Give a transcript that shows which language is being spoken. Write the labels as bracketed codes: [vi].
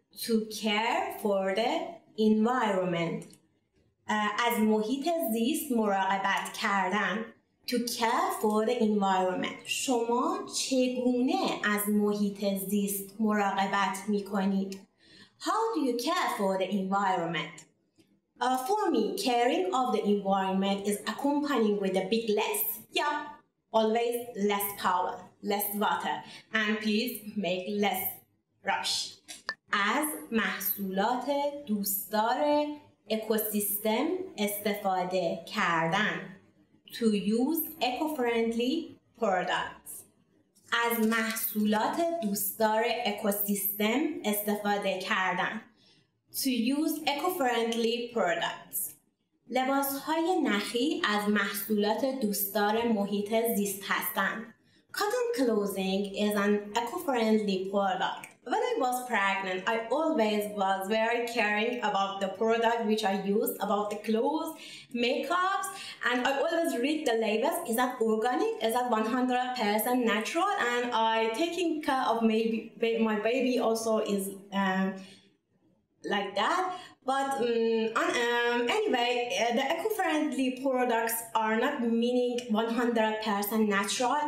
[en] To care for the environment. [fa] از محیط زیست مراقبت کردن. [en] To care for the environment. [fa] شما چگونه از محیط زیست مراقبت می کنید؟ [en] How do you care for the environment? For me, caring of the environment is accompanied with a big less. Yeah, always less power, less water, and please make less rush. [fa] از محصولات دوستدار اکوسیستم استفاده کردن. [en] To use eco-friendly products. [fa] از محصولات دوستدار اکوسیستم استفاده کردن. [en] To use eco-friendly products. [fa] لباس‌های نخی از محصولات دوستدار محیط زیست هستند. [en] Cotton clothing is an eco-friendly product. When I was pregnant, I always was very caring about the product which I used, about the clothes, makeups, and I always read the labels. Is that organic? Is that 100% natural? And I taking care of maybe my baby also is like that, but anyway, the eco-friendly products are not meaning 100% natural.